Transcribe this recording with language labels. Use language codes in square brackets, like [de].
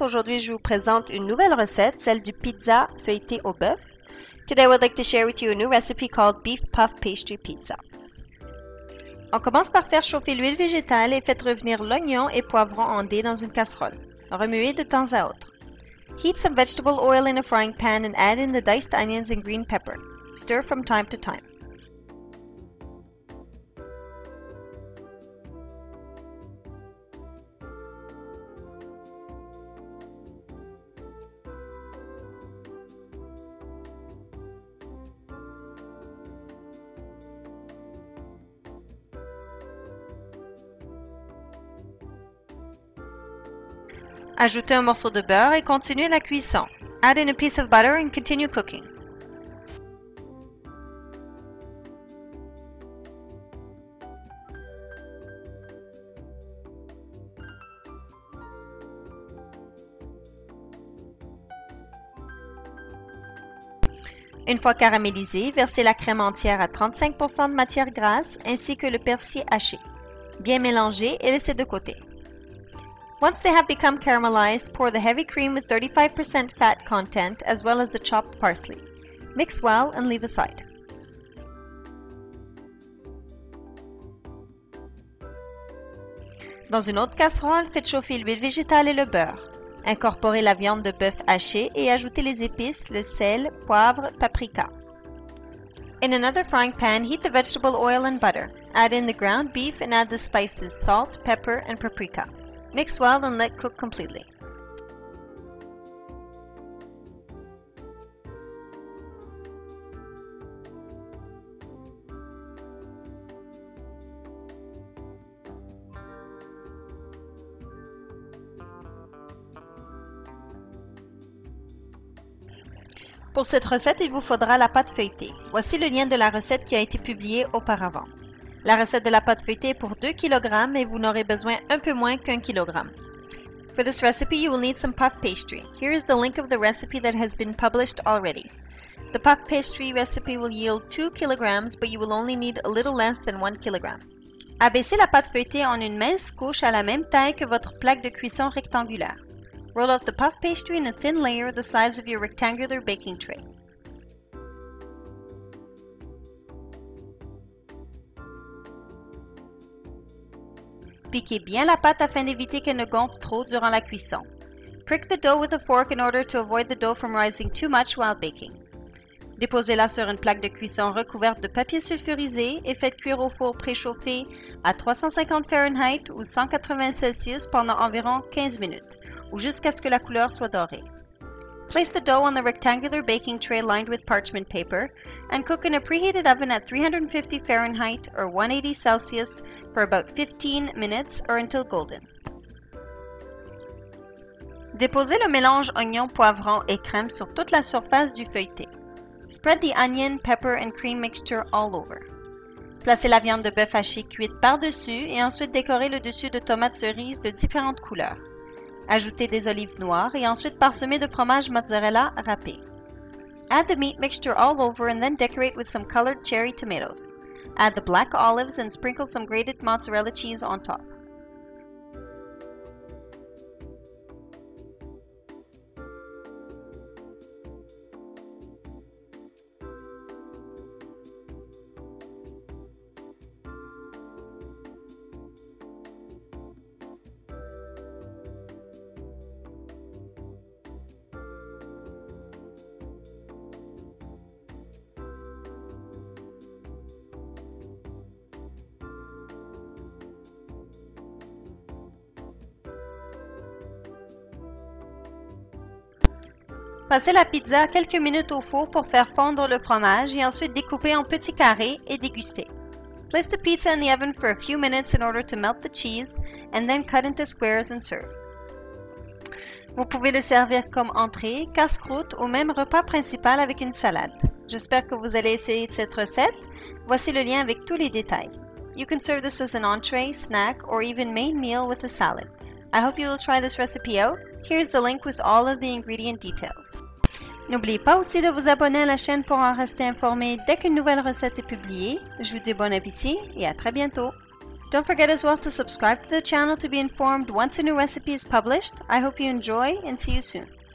[fr] Aujourd'hui, je vous présente une nouvelle recette, celle du pizza feuilleté au bœuf. [en] Today, I would like to share with you a new recipe called Beef Puff Pastry Pizza. [fr] On commence par faire chauffer l'huile végétale et faites revenir l'oignon et poivron en dés dans une casserole. Remuez de temps à autre. [en] Heat some vegetable oil in a frying pan and add in the diced onions and green pepper. Stir from time to time. [fr] Ajoutez un morceau de beurre et continuez la cuisson. [en] Add in a piece of butter and continue cooking. [fr] Une fois caramélisé, versez la crème entière à 35% de matière grasse ainsi que le persil haché. Bien mélangez et laissez de côté. [en] Once they have become caramelized, pour the heavy cream with 35% fat content as well as the chopped parsley. Mix well and leave aside. [fr] Dans une autre casserole, faites chauffer l'huile végétale et le beurre. Incorporez la viande de bœuf hachée et ajoutez les épices, le sel, poivre, paprika. [en] In another frying pan, heat the vegetable oil and butter. Add in the ground beef and add the spices, salt, pepper and paprika. Mix well and let cook completely. [fr] Pour cette recette, il vous faudra la pâte feuilletée. Voici le lien de la recette qui a été publiée auparavant. La recette de la pâte feuilletée est pour 2 kg et vous n'aurez besoin un peu moins qu'un kilogramme. [en] For this recipe, you will need some puff pastry. Here is the link of the recipe that has been published already. The puff pastry recipe will yield 2 kg, but you will only need a little less than 1 kg. [fr] Abaissez la pâte feuilletée en une mince couche à la même taille que votre plaque de cuisson rectangulaire. [en] Roll out the puff pastry in a thin layer the size of your rectangular baking tray. [fr] Piquez bien la pâte afin d'éviter qu'elle ne gonfle trop durant la cuisson. [en] Prick the dough with a fork in order to avoid the dough from rising too much while baking. [fr] Déposez-la sur une plaque de cuisson recouverte de papier sulfurisé et faites cuire au four préchauffé à 350 Fahrenheit ou 180 Celsius pendant environ 15 minutes, ou jusqu'à ce que la couleur soit dorée. [en] Place the dough on the rectangular baking tray lined with parchment paper and cook in a preheated oven at 350 Fahrenheit or 180 Celsius for about 15 minutes or until golden. [fr] Déposez le mélange oignon, poivron et crème sur toute la surface du feuilleté. [en] Spread the onion, pepper and cream mixture all over. [fr] Placez la viande de bœuf haché cuite par-dessus et ensuite décorez le dessus de tomates cerises de différentes couleurs. Ajoutez des olives noires et ensuite parsemez de fromage mozzarella râpé. [en] Add the meat mixture all over and then decorate with some colored cherry tomatoes. Add the black olives and sprinkle some grated mozzarella cheese on top. [fr] Passez la pizza quelques minutes au four pour faire fondre le fromage et ensuite découper en petits carrés et déguster. [en] Place the pizza in the oven for a few minutes in order to melt the cheese and then cut into squares and serve. [fr] Vous pouvez le servir comme entrée, casse-croûte ou même repas principal avec une salade. J'espère que vous allez essayer cette recette. Voici le lien avec tous les détails. [en] You can serve this as an entree, snack or even main meal with a salad. I hope you will try this recipe out. Here's the link with all of the ingredient details. [fr] N'oubliez pas aussi de vous abonner à la chaîne pour en rester informé dès qu'une nouvelle recette est publiée. Je vous dis bon appétit et à très bientôt. [en] Don't forget as well to subscribe to the channel to be informed once a new recipe is published. I hope you enjoy and see you soon.